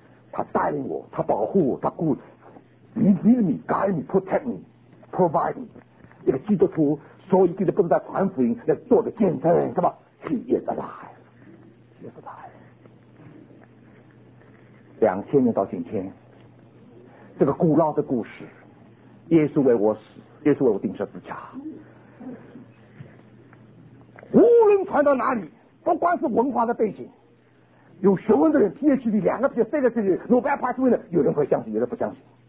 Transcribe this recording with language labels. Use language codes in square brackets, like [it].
[zh] 他带领我，他保护我，他顾着。 [en] He heals me, guide me, protect me, provide me. [zh] 一个基督徒说一句的不是在传福音，要做个见证，是吧？ [en] He is alive. [zh] 2000年到今天，这个古老的故事，耶稣为我死，耶稣为我钉十字架，无论传到哪里，不管是文化的背景，有学问的人 PhD 两个 PhD 三个 PhD 诺贝尔 Prize winner， 有人会相信，有人不相信。